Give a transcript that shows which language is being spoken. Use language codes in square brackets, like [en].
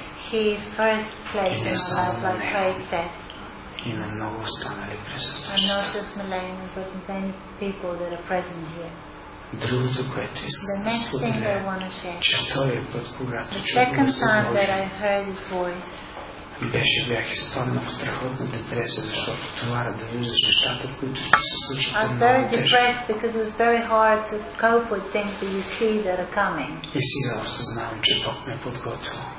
[en] He is first place in my life, like Craig said. And not just Melanie, but many people that are present here. The next thing I want to share, the second time that I heard his voice, [bg] Бях изпаднал в страхотна депресия, защото товара да виждаш нещата, които ще се случат. [en] I was very depressed because it was very hard to cope with things that you see that are coming. [bg] И сега осъзнавам, че Бог ме подготвил.